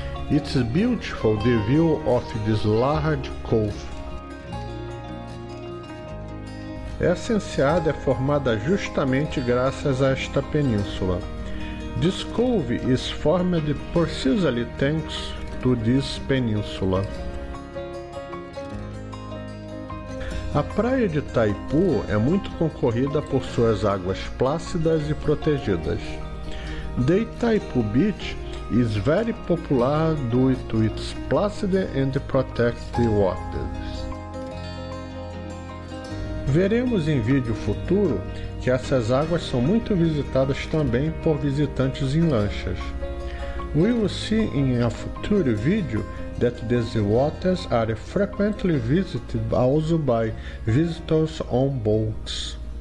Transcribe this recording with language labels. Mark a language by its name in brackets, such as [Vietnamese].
[English] It's beautiful the view of this large cove. [Portuguese] Essa enseada é formada justamente graças a esta península. [English] This cove is formed precisely thanks to this peninsula. [Portuguese] A praia de Taipu é muito concorrida por suas águas plácidas e protegidas. [English] The Taipu Beach is very popular due to its placid and protected waters. [Portuguese] Veremos em vídeo futuro que essas águas são muito visitadas também por visitantes em lanchas. [English] We will see in a future video that these waters are frequently visited also by visitors on boats.